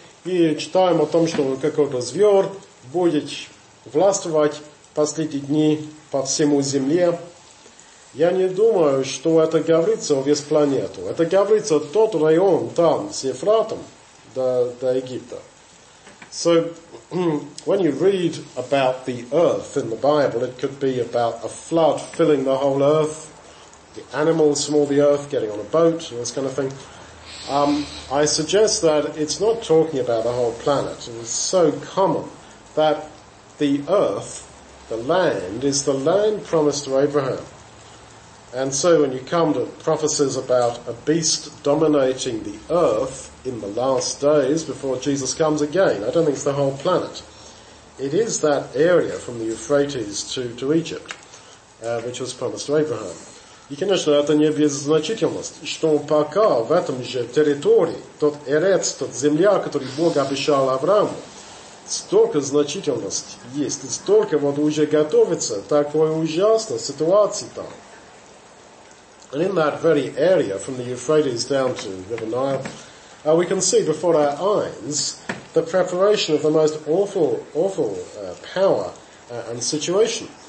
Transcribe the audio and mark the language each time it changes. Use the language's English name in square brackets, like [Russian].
[Russian] И читаем о том, что какой-то зверь будет властвовать в последние дни по всему земле. Я не думаю, что это говорится о весь планету. Это говорится о тот район там, с Ефратом до Египта. [English] So, when you read about the earth in the Bible, it could be about a flood filling the whole earth, the animals from all the earth getting on a boat, and this kind of thing. I suggest that it's not talking about the whole planet. It's so common that the earth, the land, is the land promised to Abraham. And so when you come to prophecies about a beast dominating the earth in the last days before Jesus comes again, I don't think it's the whole planet. It is that area from the Euphrates to Egypt, which was promised to Abraham. [Russian] И, конечно, это не без значительности, что пока в этом же территории, тот Эрец, тот земля, который Бог обещал Аврааму, столько значительности есть, столько вот уже готовится, такой ужасной ситуации там. [English] And in that very area, from the Euphrates down to the River Nile, we can see before our eyes the preparation of the most awful power and situation.